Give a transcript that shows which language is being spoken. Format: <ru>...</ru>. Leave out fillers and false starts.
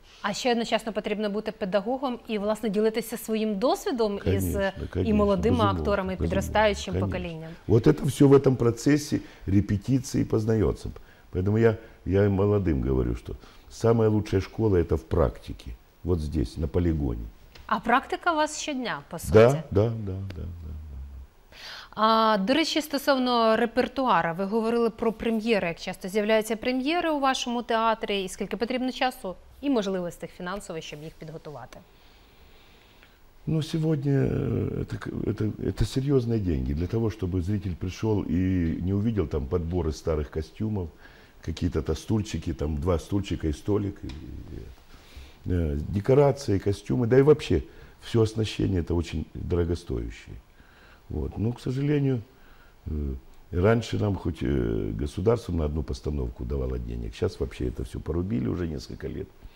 <uk>А ще одночасно потрібно бути педагогом і, власне, ділитися своїм досвідом</uk> <ru>конечно,</ru> <uk>і молодими акторами, і підростаючим поколінням.</uk> <ru>Вот это все в этом процессе репетиции познается. Поэтому я молодым говорю, что самая лучшая школа – это в практике. Вот здесь, на полигоне.</ru> <uk>А практика у вас щодня, по суті?</uk> <ru>Да.</ru> <uk>А, до речі, стосовно репертуара, ви говорили про прем'єри. Як часто з'являються прем'єри у вашому театрі? І скільки потрібно часу і можливостей фінансових, щоб їх підготувати? Ну, сьогодні це серйозні гроші. Для того, щоб зритель прийшов і не побачив там підбори старих костюмів, якісь стульчики, там два стульчика і столик, декорації, костюми, да і взагалі все оснащення – це дуже дорогостоюче.</uk> <ru>Вот. Но, к сожалению, Раньше нам хоть государством на одну постановку давало денег. Сейчас вообще это все порубили уже несколько лет.</ru>